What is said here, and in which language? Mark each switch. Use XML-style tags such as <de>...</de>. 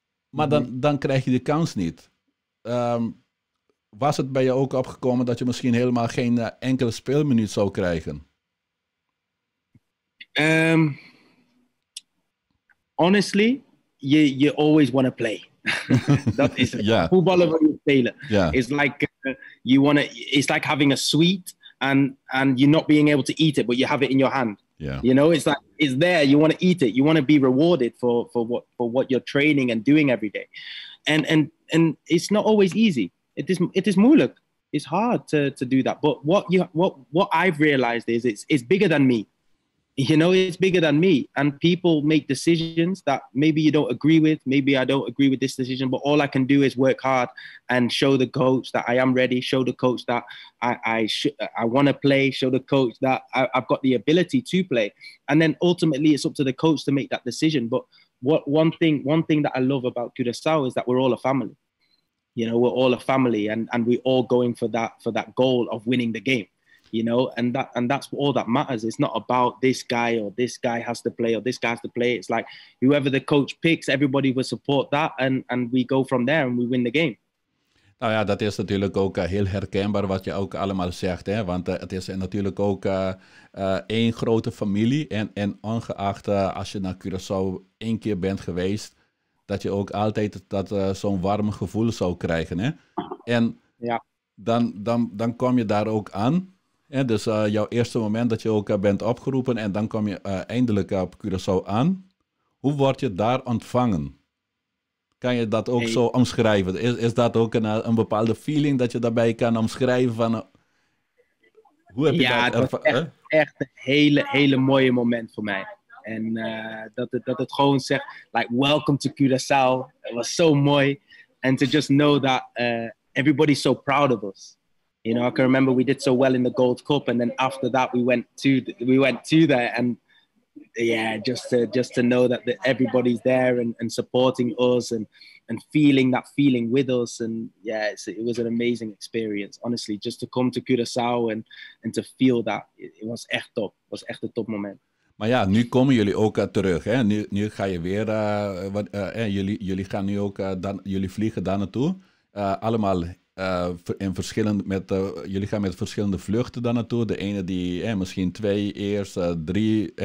<nl>Maar dan krijg je de kans niet. Was het bij jou ook opgekomen dat je misschien helemaal geen enkele speelminuut zou krijgen?</nl> <en>Honestly, you always want to play.</en> <nl>Dat is het.</nl> <en>Yeah.</en> <nl>Voetballer wil je spelen.</nl> <en>Yeah. It's like, you wanna, it's like having a sweet... And you're not being able to eat it, but you have it in your hand. Yeah. You know, it's like it's there. You want to eat it. You want to be rewarded for what you're training and doing every day. And it's not always easy. It is moeilijk. It's hard to do that. But what I've realized is it's bigger than me. You know, it's bigger than me. And people make decisions that maybe you don't agree with. Maybe I don't agree with this decision. But all I can do is work hard and show the coach that I am ready. Show the coach that I want to play. Show the coach that I've got the ability to play. And then ultimately, it's up to the coach to make that decision. But what one thing that I love about Curaçao is that we're all a family. You know, we're all a family. And we're all going for that goal of winning the game. You know, and that's all that matters. It's not about this guy or this guy has to play or this guy has to play. It's like whoever the coach picks, everybody will support that. And we go from there and we win the game.</en> <nl>Nou ja, dat is natuurlijk ook heel herkenbaar wat je ook allemaal zegt. Hè? Want het is natuurlijk ook één grote familie. En ongeacht als je naar Curaçao één keer bent geweest, dat je ook altijd zo'n warm gevoel zou krijgen. Hè? En ja. dan kom je daar ook aan. Ja, dus jouw eerste moment dat je ook bent opgeroepen en dan kom je eindelijk op Curaçao aan. Hoe word je daar ontvangen? Kan je dat ook zo omschrijven? Is dat ook een bepaalde feeling dat je daarbij kan omschrijven? Van, hoe heb je dat ervaren? Ja, het was echt een hele, hele mooie moment voor mij. En dat het gewoon zegt,</nl> <en>like, welcome to Curaçao. It was so mooi. And to just know that everybody's so proud of us. You know, I can remember we did so well in the Gold Cup, and then after that we went to there, and yeah, just to know that everybody's there and supporting us and feeling that feeling with us, and yeah, it was an amazing experience, honestly, just to come to Curaçao and to feel that it was</en> <nl>echt top,</nl> <en>it was echt a top moment.</en> <nl>Maar ja, nu komen jullie ook terug, hè? Nu ga je weer, jullie gaan nu ook jullie vliegen daar naartoe, allemaal. Jullie gaan met verschillende vluchten dan naartoe. De ene die misschien twee, eerst drie.</nl>